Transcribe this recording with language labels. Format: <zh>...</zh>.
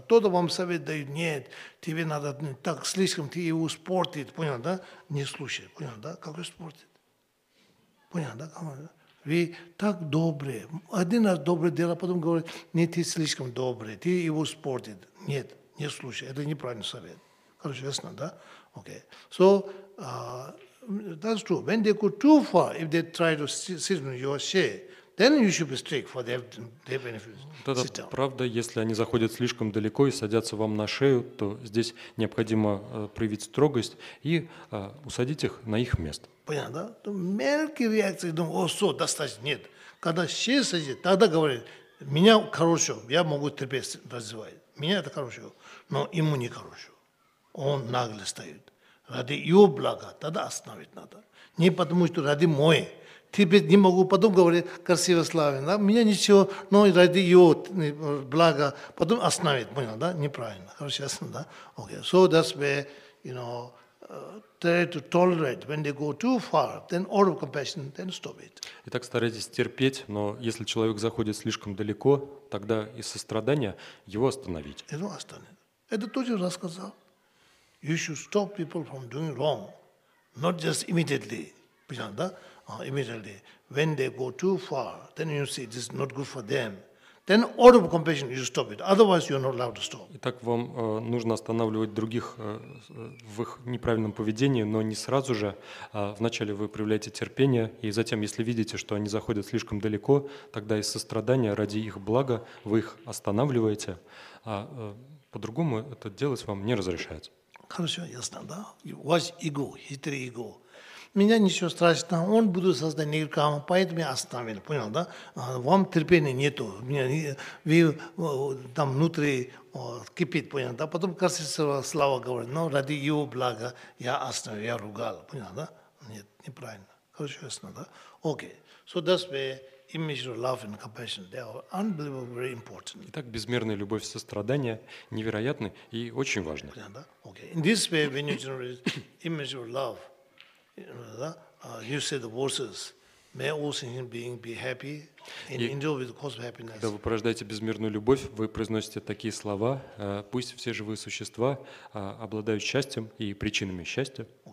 <ru>Кто-то вам совет дает, нет, тебе надо так слишком, ты его испортит, понятно, да? Не слушай, понятно, да? Как испортит? Понятно, да? Вы так добрые. Один раз доброе дело, потом говорит, нет, ты слишком добрый, ты его испортит. Нет. Не слушай, это неправильный совет. Хорошо, ясно, да?</ru> <en>Okay. So, that's true. When they go too far, if they try to sit on your chair, then you should be strict for their benefits.</en> <ru>Это правда, если они заходят слишком далеко и садятся вам на шею, то здесь необходимо проявить строгость и усадить их на их место. Понятно, да? То мелкие реакции, думаю, о, все, достаточно, нет. Когда все садят, тогда говорят, меня хорошо, я могу терпеть развивать. Меня это хорошо, но ему не хорошо. Он нагло стоит. Ради его блага тогда остановить надо. Не потому, что ради мой. Теперь не могу потом говорить красиво славен. Да? Меня ничего, но ради его блага потом остановить. Понял, да? Неправильно. Хорошо, ясно, да? Okay.</ru> <en>So that's where, you know, try to tolerate when they go too far, then out of compassion, then stop it.</en> <ru>Итак, старайтесь терпеть, но если человек заходит слишком далеко, тогда из сострадания его остановить. Его остановит. Это тоже рассказал.</ru> <en>You should stop people from doing wrong, not just immediately.</en> <ru>Понятно, да? Immediately.</ru> <en>When they go too far, then you see this is not good for them. Then out of compassion you stop it. Otherwise you're not allowed to stop.</en> <ru>Итак, вам нужно останавливать других в их неправильном поведении, но не сразу же. Вначале вы проявляете терпение, и затем, если видите, что они заходят слишком далеко, тогда из сострадания ради их блага вы их останавливаете. А по-другому это делать вам не разрешается. Хорошо, ясно, да? Ваш эго, хитрый эго. Меня ничего страшного, он будет создать нирвану, поэтому я остановил, понял, да? Вам терпения нету, вы там внутри кипит, понял, да? Потом красиво слава говорит, но ради его блага я остановил, я ругал, понял, да? Нет, неправильно, хорошо, ясно, да?</ru> <en>Окей, so that's where immeasurable love and compassion, they are unbelievably very important.</en> <ru>Итак, безмерная любовь и сострадание невероятны и очень важны. Понял, да? Окей,</ru> <en>in this way, when you generate immeasurable love, You said the verses, may all sentient beings be happy and enjoy with the cause of happiness.</en> <ru>Когда вы порождаете безмерную любовь, вы произносите такие слова, пусть все живые существа обладают счастьем и причинами счастья.</ru>